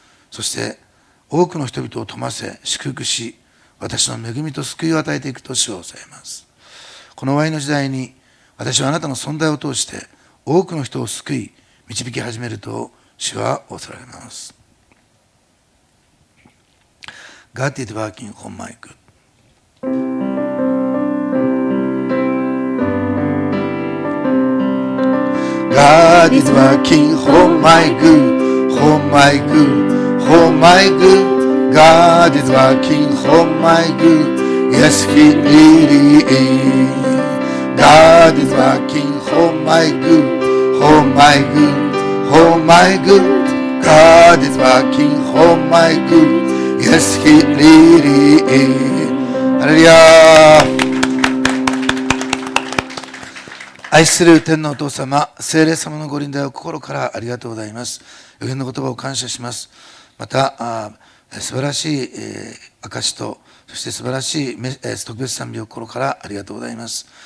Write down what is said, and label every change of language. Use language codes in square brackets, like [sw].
[ja] そして、多くの人々を富ませ、祝福し、私の恵みと救いを与えていく年を抑えます。この終わりの時代に、私はあなたの存在を通して、多くの人を救い、導き始めると、主は仰せられます。 [en] God is working on my good. God is working for my good, for my good, for my good. God is working for my good, yes, He really is. God is working for my good, for my good, for my good. God is working for my good, yes, He really is. Hallelujah. [ja] 愛する天のお父様、聖霊様のご臨在を心からありがとうございます。予言の言葉を感謝します。また素晴らしい、証と、そして素晴らしい、特別賛美を心からありがとうございます。